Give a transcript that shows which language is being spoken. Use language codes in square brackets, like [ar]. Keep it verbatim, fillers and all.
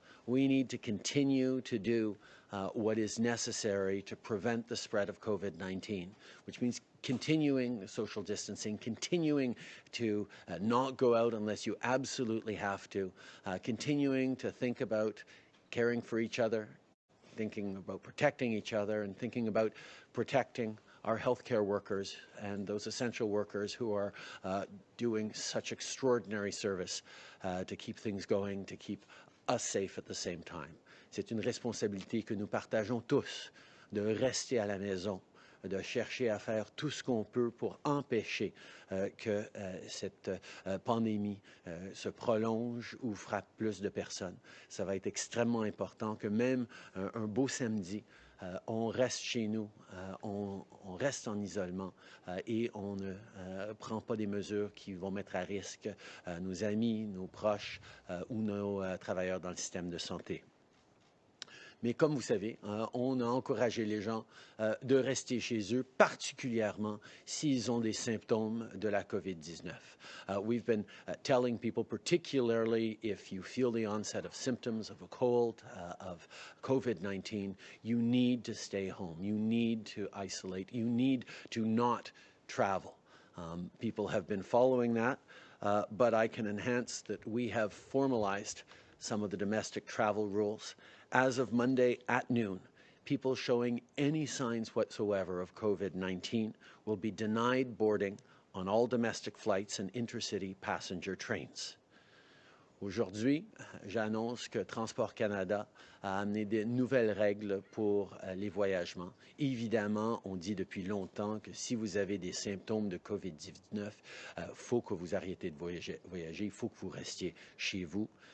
[en] We need to continue to do uh, what is necessary to prevent the spread of COVID nineteen, which means continuing social distancing, continuing to uh, not go out unless you absolutely have to, uh, continuing to think about caring for each other, thinking about protecting each other, and thinking about protecting our healthcare workers and those essential workers who are uh, doing such extraordinary service uh, to keep things going, to keep us safe at the same time. [fr] C'est une responsabilité que nous partageons tous, de rester à la maison, de chercher à faire tout ce qu'on peut pour empêcher euh, que euh, cette euh, pandémie euh, se prolonge ou frappe plus de personnes. Ça va être extrêmement important que même un, un beau samedi, euh, on reste chez nous, euh, on, on reste en isolement euh, et on ne euh, prend pas des mesures qui vont mettre à risque euh, nos amis, nos proches euh, ou nos euh, travailleurs dans le système de santé. Mais comme vous savez, euh, on a encouragé les gens euh, de rester chez eux, particulièrement s'ils ont des symptômes de la COVID nineteen. [en] Uh, we've been uh, telling people, particularly if you feel the onset of symptoms of a cold, uh, of COVID nineteen, you need to stay home, you need to isolate, you need to not travel. Um, people have been following that, uh, but I can enhance that we have formalized some of the domestic travel rules. As of Monday at noon, people showing any signs whatsoever of COVID nineteen will be denied boarding on all domestic flights and intercity passenger trains. [fr] Aujourd'hui, j'annonce que Transport Canada a amené des nouvelles règles pour euh, les voyagements. Évidemment, on dit depuis longtemps que si vous avez des symptômes de COVID nineteen, il euh, faut que vous arrêtez de voyager, voyager, il faut que vous restiez chez vous.